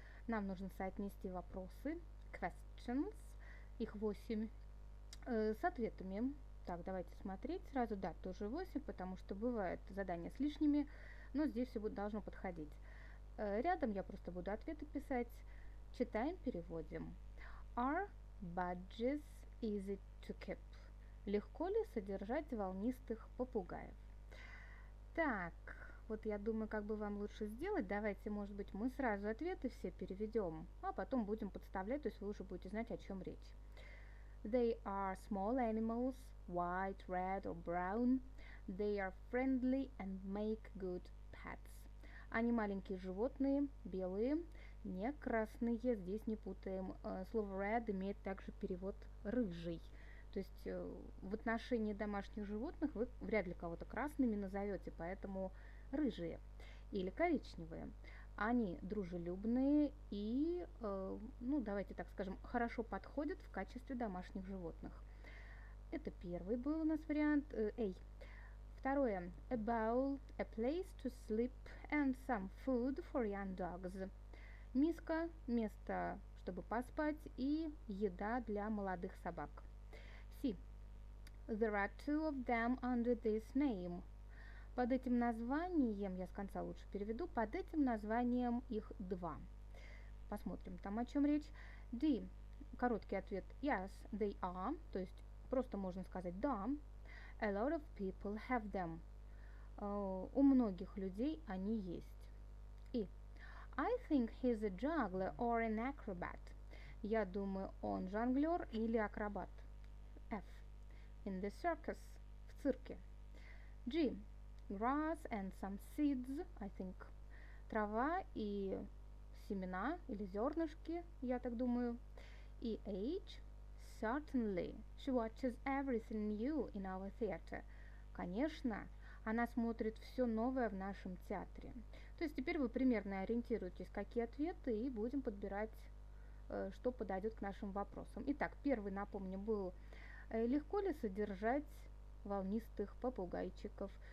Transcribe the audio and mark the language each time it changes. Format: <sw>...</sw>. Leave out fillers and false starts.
<ru>Нам нужно соотнести вопросы, questions, их 8, с ответами. Так, давайте смотреть сразу, да, тоже 8, потому что бывают задания с лишними, но здесь все должно подходить. Рядом я просто буду ответы писать. Читаем, переводим.</ru> <en>Are budgies easy to keep?</en> <ru>Легко ли содержать волнистых попугаев? Так, вот я думаю, как бы вам лучше сделать. Давайте, может быть, мы сразу ответы все переведем, а потом будем подставлять, то есть вы уже будете знать, о чем речь.</ru> <en>They are small animals, white, red or brown. They are friendly and make good pets.</en> <ru>Они маленькие животные, белые, не красные. Здесь не путаем. Слово red имеет также перевод рыжий. То есть в отношении домашних животных вы вряд ли кого-то красными назовете, поэтому рыжие или коричневые. Они дружелюбные и, ну, давайте так скажем, хорошо подходят в качестве домашних животных. Это первый был у нас вариант. Второе.</ru> <en>A bowl, a place to sleep and some food for young dogs.</en> <ru>Миска, место, чтобы поспать, и еда для молодых собак. C.</ru> <en>There are two of them under this name.</en> <ru>Под этим названием, я с конца лучше переведу, под этим названием их два. Посмотрим там, о чем речь. D. Короткий ответ.</ru> <en>Yes, they are.</en> <ru>То есть просто можно сказать «да».</ru> <en>A lot of people have them.</en> <ru>У многих людей они есть. И.</ru> <en>I think he's a juggler or an acrobat.</en> <ru>Я думаю, он жонглер или акробат.</ru> <en>F. In the circus.</en> <ru>В цирке.</ru> <en>G. Grass and some seeds, I think.</en> <ru>Трава и семена или зернышки, я так думаю. И H.</ru> <en>Certainly, she watches everything new in our theater.</en> <ru>Конечно, она смотрит все новое в нашем театре. То есть теперь вы примерно ориентируетесь, какие ответы, и будем подбирать, что подойдет к нашим вопросам. Итак, первый, напомню, был «Легко ли содержать волнистых попугайчиков?»</ru>